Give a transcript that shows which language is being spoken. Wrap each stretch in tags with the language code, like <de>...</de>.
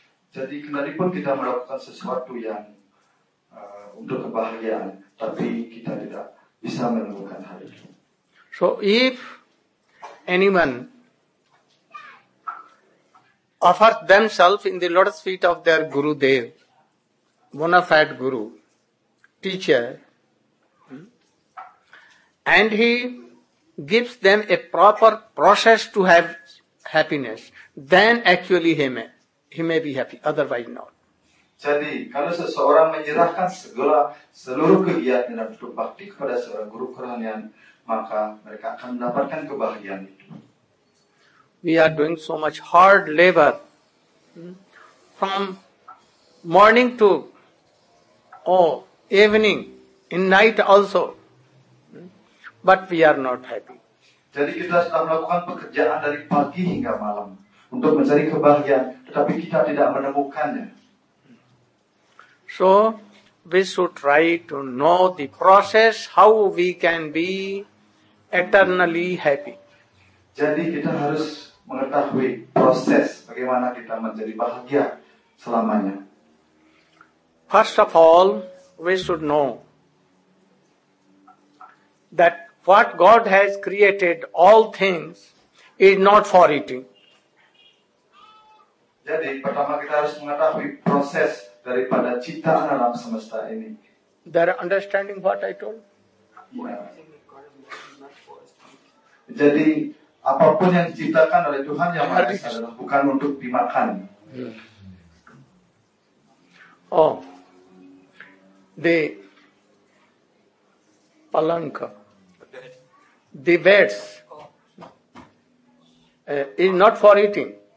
<id>Jadi kendali pun kita melakukan sesuatu yang untuk kebahagiaan, tapi kita tidak bisa menemukan hal itu.</id> <en>So if anyone offers themselves in the lotus feet of their Guru Dev, bona fide Guru, teacher, and he gives them a proper process to have happiness, then actually he may be happy, otherwise not.</en> <id>Jadi, kalau seseorang menyerahkan seluruh kegiatan dan bentuk bakti kepada seorang guru kerohanian, maka mereka akan mendapatkan kebahagiaan itu.</id> <en>We are doing so much hard labor from morning to evening, in night also, but we are not happy.</en> <id>Jadi, kita sudah melakukan pekerjaan dari pagi hingga malam. Untuk mencari kebahagiaan, tetapi kita tidak menemukannya.</id> <en>So, we should try to know the process how we can be eternally happy.</en> <id>Jadi kita harus mengetahui proses bagaimana kita menjadi bahagia selamanya.</id> <en>First of all, we should know that what God has created all things is not for eating.</en> <id>Jadi pertama kita harus mengetahui proses daripada ciptaan alam semesta ini.</id> <en>They're understanding what I told? Yeah.</en> <id>Jadi apapun yang diciptakan oleh Tuhan yang Maha Esa adalah bukan untuk dimakan.</id> <en>The palanka, the beds is not for eating.</en>